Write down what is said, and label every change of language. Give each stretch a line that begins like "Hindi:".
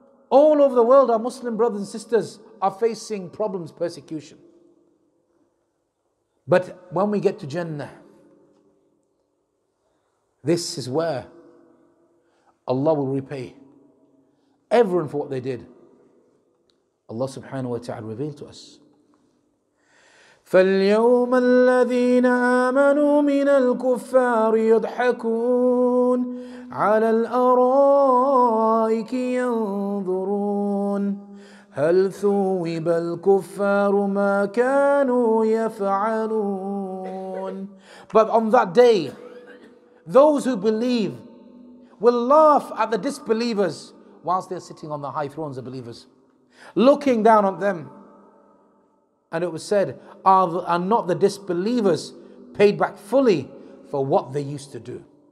English: All over the world, our Muslim brothers and sisters are facing problems, persecution. But when we get to Jannah, this is where Allah will repay everyone for what they did. Allah subhanahu wa ta'ala revealed to us.
Arabic: فاليوم الذين آمنوا من الكفار يضحكون على الأرائك ينظرون هل ثوب الكفار ما كانوا يفعلون.
English: But on that day, those who believe will laugh at the disbelievers whilst they're sitting on the high thrones of believers, looking down on them. And it was said, are not the disbelievers paid back fully for what they used to do?